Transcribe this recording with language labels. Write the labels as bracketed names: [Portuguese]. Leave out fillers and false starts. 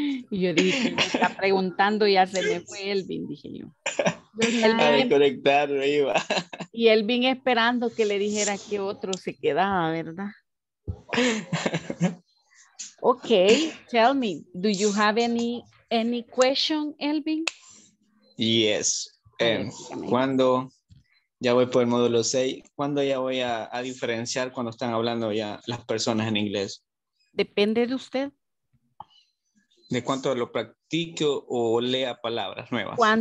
[Spanish] Yo dije, me está preguntando, ya se me fue Elvin, dije yo. Elvin, a conectar, me iba. Y Elvin esperando que le dijera que otro se quedaba, ¿verdad? [English] Ok, tell me, do you have any question, Elvin? Yes. [Spanish] ¿Cuándo? Ya voy por el módulo 6. ¿Cuándo ya voy a diferenciar cuando están hablando ya las personas en inglés? Depende de usted. ¿De cuánto lo practico o lea palabras nuevas?